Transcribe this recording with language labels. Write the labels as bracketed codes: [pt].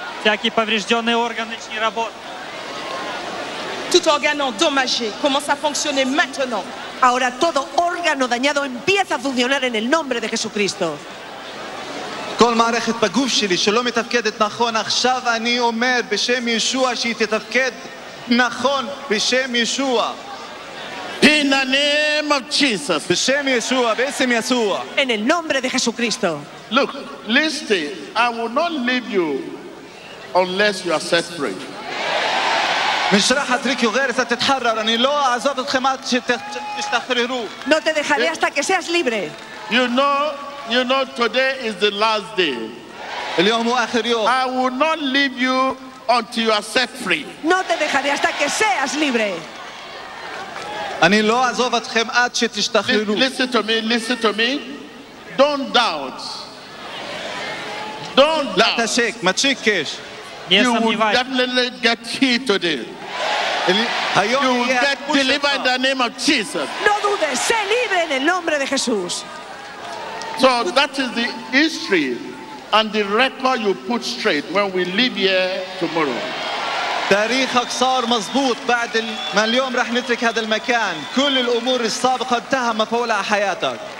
[ru] Всякий поврежденный орган начни работать. [fr] Tout organe endommagé commence à fonctionner maintenant. [es] Ahora todo órgano dañado empieza a funcionar en el nombre de Jesucristo. [he] כל מערכת בגוף שלי שלא מתפקדת נכון, עכשיו אני אומר בשם ישוע שהיא תתפקד נכון בשם ישוע. [en] In the name of Jesus. [he] בשם ישוע, בשם ישוע. [es] En el nombre de Jesucristo. [en] Look, listen, I will not leave you unless you are set free. [es] No te dejaré hasta que seas libre. [en] You know, today is the last day. I will not leave you until you are set free. [es] No te dejaré hasta que seas libre. [he] אני לא אעזוב אתכם עד שתשתחררו. [en] Listen to me. Don't doubt. Don't doubt. לתשק, מתשיק קש. You will definitely get healed today. You will get delivered in the name of Jesus. [es] No dudes, sé libre en el nombre de Jesús. [en] So that is the history and the record you put straight when we leave here tomorrow. [ar] تاريخك صار مظبوط بعد ما اليوم رح نترك هذا المكان كل الأمور السابقة انتهى مفعولة على حياتك.